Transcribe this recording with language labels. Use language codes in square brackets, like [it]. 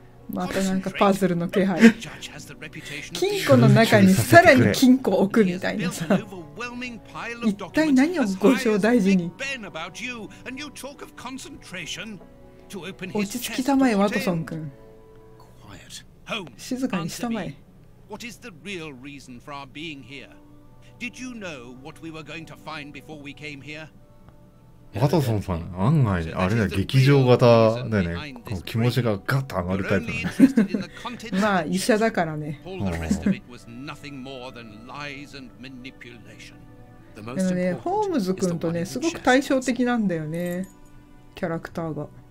[ja] またなんかパズルの気配。金庫の中にさらに金庫を置くみたいなさ。一体何を御所大事に。落ち着きたまえ、ワトソン君。静かにしたまえ。 [en] What is the real reason for our being here? Did you know what we were going to find before we came here? [ja] ワトソンさん、案外、あれだ、劇場型だよね。こう気持ちがガッと上がるタイプだね。まあ、医者だからね。あのね、ホームズ君とね、すごく対照的なんだよね、キャラクターが。